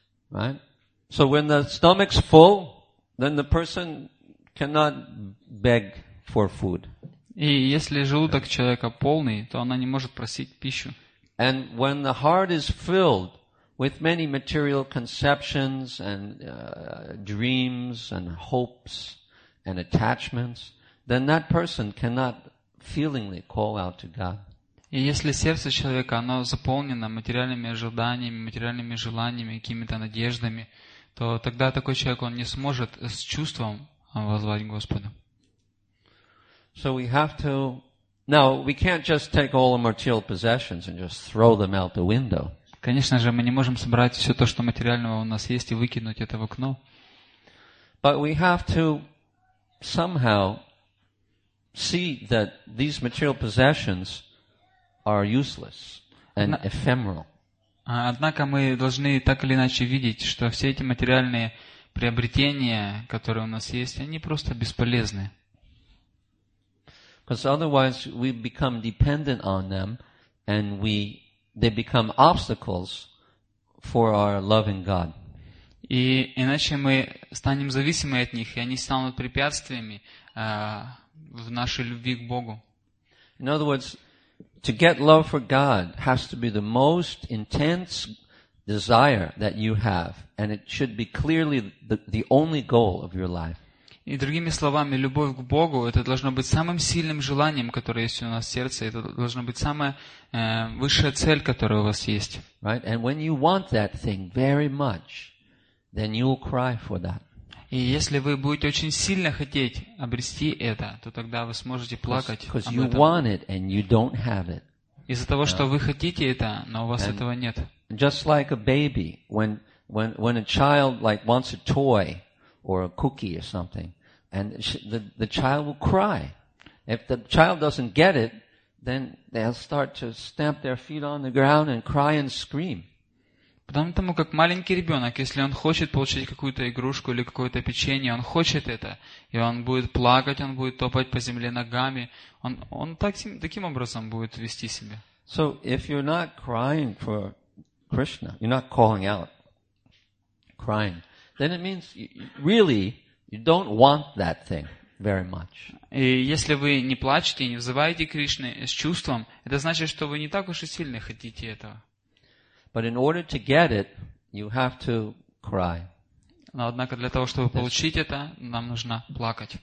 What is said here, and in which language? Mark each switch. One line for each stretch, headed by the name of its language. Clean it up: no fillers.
English: Right. So when the stomach's full, then the person cannot beg for food.
Russian: И если желудок человека полный, то она не может просить пищу.
English: And when the heart is filled with many material conceptions and dreams and hopes and attachments, then that person cannot feelingly call out to God.
Russian: И если сердце человека, оно заполнено материальными ожиданиями, материальными желаниями, какими-то надеждами, то тогда такой человек, он не сможет с чувством воззвать к Господу.
English: So we have to. Now we can't just take all the material possessions and just throw them out the window.
Russian: Конечно же, мы не можем собрать все то, что материального у нас есть, и выкинуть это в окно.
English: But we have to somehow see that these material possessions are useless and ephemeral.
Russian: Однако мы должны так или иначе видеть, что все эти материальные приобретения, которые у нас есть, они просто бесполезны.
English: Because otherwise we become dependent on them, and they become obstacles for our loving God.
Russian: И иначе мы станем зависимы от них, и они станут препятствиями в нашей любви к Богу.
English: In other words, to get love for God has to be the most intense desire that you have, and it should be clearly the only goal of your life.
Russian: И другими словами, любовь к Богу – это должно быть самым сильным желанием, которое есть у нас в сердце. Это должно быть самая высшая цель, которая у вас есть.
English: Right? And when you want that thing very much, then you will cry for that.
Russian: И если вы будете очень сильно хотеть обрести это, то тогда вы сможете плакать об этом.
English: You want it and you don't have it.
Russian: Из-за того, что вы хотите это, но у вас этого нет.
English: Just like a baby, when a child like wants a toy or a cookie or something, and the child will cry. If the child doesn't get it, then they'll start to stamp their feet on the ground and cry and scream.
Russian: Потому тому, как маленький ребенок, если он хочет получить какую-то игрушку или какое-то печенье, он хочет это, и он будет плакать, он будет топать по земле ногами, он таким образом будет вести себя.
English: So if you're not crying for Krishna, you're not calling out, crying, then it means really you don't want that thing very much.
Russian: И если вы не плачете, не взываете Кришны с чувством, это значит, что вы не так уж и сильно хотите этого.
English: But in order to get it, you have to cry.
Russian: Но однако для того, чтобы получить это, нам нужно плакать.